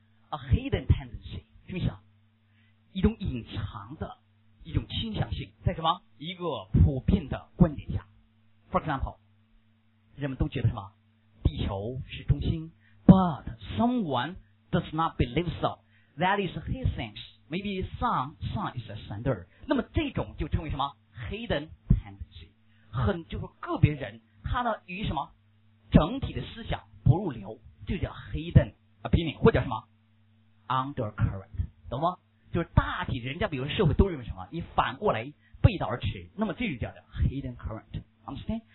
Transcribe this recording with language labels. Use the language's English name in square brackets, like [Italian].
[Chinese] a hidden tendency， 听一下，一种隐藏的一种倾向性，在什么一个普遍的观点下。 [English] For example， [Chinese] 人们都觉得什么地球是中心， [English] but someone does not believe so， that is he thinks maybe sun is a center。 [Chinese] 那么这种就称为什么 hidden tendency， 很就是个别人他呢与什么整体的思想不入流，就叫 [English] hidden opinion， [Chinese] 或者什么 undercurrent， 懂吗？就是大体人家比如社会都认为什么，你反过来背道而驰，那么这就叫 hidden current， understand？